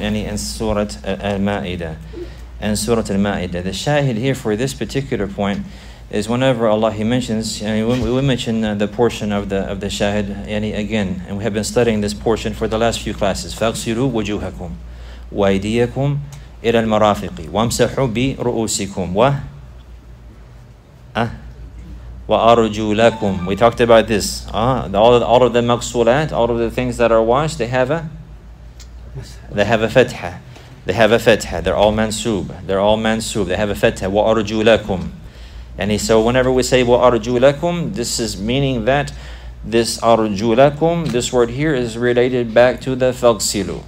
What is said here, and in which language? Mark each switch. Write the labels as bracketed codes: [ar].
[en] يعني in سورة المائدة. In سورة المائدة. The شاهد here for this particular point is whenever Allah He mentions, يعني we mention the portion of the شاهد. يعني again, and we have been studying this portion for the last few classes. [ar] فاغسلوا وجوهكم وأيديكم إلى المرافق وامسحوا برؤوسكم و وأرجلكم. [en] We talked about this. All of the مغسولات, all of the things that are washed, they have a فتحة. They have a فتحة. They're all mansub. They have a فتحة. [ar] وأرجلكم. [en] And so whenever we say وأرجلكم, this is meaning that this أرجلكم, this word here is related back to the فغسلوا.